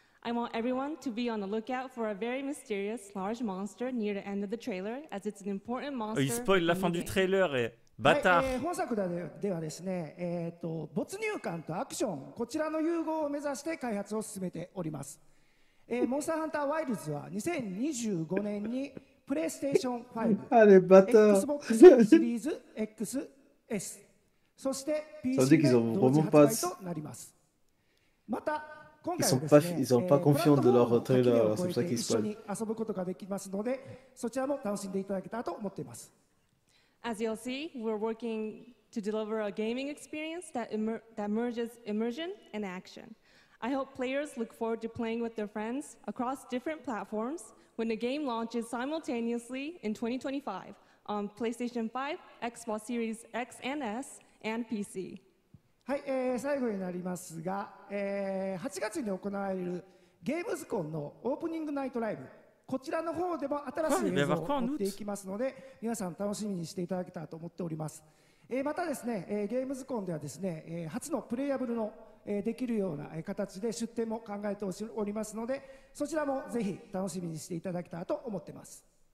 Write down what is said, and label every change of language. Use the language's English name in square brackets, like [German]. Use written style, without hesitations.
[English] I want everyone to be on the lookout for a very mysterious large monster near the end of the trailer, as it's an important monster. [French] Il spoil la fin du trailer, et bâtard. [Japanese] 本作で、ではですね、没入感とアクション、こちらの融合を目指して開発を進めております。モンスターハンターワイルズは2025年にプレイステーション5、あれバター、Xbox シリーズ X。 S、そして PC で同時発売となります。また今回はですね、プラットフォームを超えて一緒に遊ぶことができますので、そちらも楽しんでいただけたらと思っています。 [English] As you'll see, we're working to deliver a gaming experience that merges immersion and action. I hope players look forward to playing with their friends across different platforms when the game launches simultaneously in 2025on PlayStation 5, Xbox Series X and S, and PC. [Japanese] はい、最後になりますが、8月に行われるゲームズコンのオープニングナイトライブ、こちらの方でも新しい映像を持っていきますので、皆さん楽しみにしていただけたらと思っております。またですね、ゲームズコンではですね、初のプレイアブルの、できるような形で出展も考えておりますので、そちらもぜひ楽しみにしていただけたらと思っています。